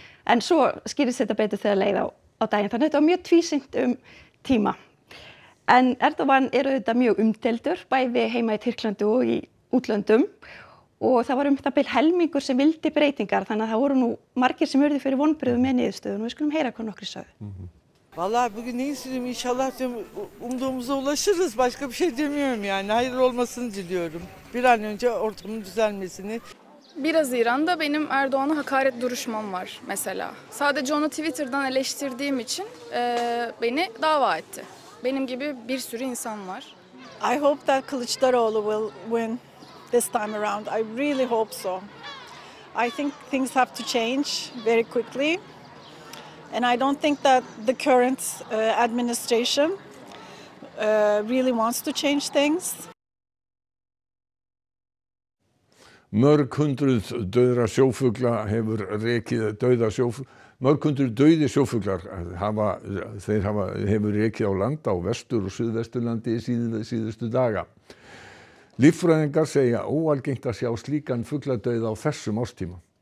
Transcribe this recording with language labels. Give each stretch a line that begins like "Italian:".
Icelandic: En svo skýrðist þetta betur þegar leið á daginn. Þannig þetta var mjög tvísynt tíma. En Erdogan eru þetta mjög umdeildur, bæði heima í Tyrklandi og í útlöndum. Og það var það bil helmingur sem vildi breytingar, þannig að það voru nú margir sem urðu fyrir vonbrigðum með niðurstöðun og við skulum heyra hvað nokkrir sögðu.
Turkish: Vallahi bugün ne istedim inşallah diyorum umduğumuza ulaşırız başka bir şey demiyorum yani hayır olmasını diliyorum. Bir an önce ortamın düzelmesini. 1 Haziran'da benim Erdoğan'a hakaret duruşmam var mesela. Sadece onu Twitter'dan eleştirdiğim için beni dava etti. Benim gibi bir sürü insan var.
English: I hope that Kılıçdaroğlu will win. This time around, I really hope so. I think things have to change very quickly. And I don't think that the current administration really wants to change things.
Icelandic: Mörg hundruð dauða sjófugla mörg hundruð dauðir sjófuglar hefur rekið á land á vestur og suðvesturlandi síðustu daga. Líffræðingar segja óalgengt að sjá slíkan fugladauð á þessum árstíma.